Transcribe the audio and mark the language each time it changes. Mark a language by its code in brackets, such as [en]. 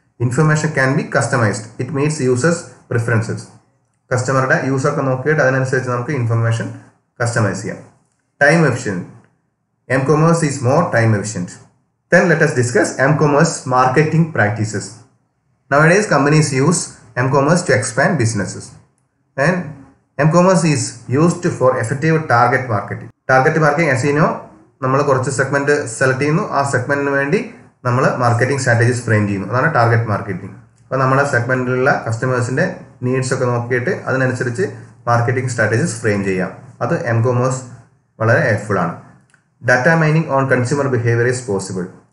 [en] Information can be customized. It meets users preferences. [ml] കസ്റ്റമറുടെ യൂസൊക്കെ നോക്കിയിട്ട് അതിനനുസരിച്ച് നമുക്ക് ഇൻഫർമേഷൻ കസ്റ്റമൈസ് ചെയ്യാം. [en] Time efficient. M-commerce is more time efficient. Then let's discuss M-commerce marketing practices. Nowadays, companies use M-commerce to expand businesses. And M-commerce is used for effective target marketing. Target marketing, as you know, [ml] നമ്മൾ കുറച്ച് segment select ചെയ്യുന്നു. ആ സെഗ്മെൻറ്റിന് വേണ്ടി നമ്മൾ marketing strategies frame ചെയ്യുന്നു. അതാണ് target marketing. അപ്പോൾ നമ്മളെ സെഗ്മെൻറ്റിലുള്ള കസ്റ്റമേഴ്സിൻ്റെ നീഡ്സൊക്കെ നോക്കിയിട്ട് അതിനനുസരിച്ച് മാർക്കറ്റിംഗ് സ്ട്രാറ്റജീസ് ഫ്രെയിം ചെയ്യാം. അത് M-commerce വളരെ ഹെൽപ്ഫുള്ളാണ്. [en] Data mining on consumer behaviour is possible.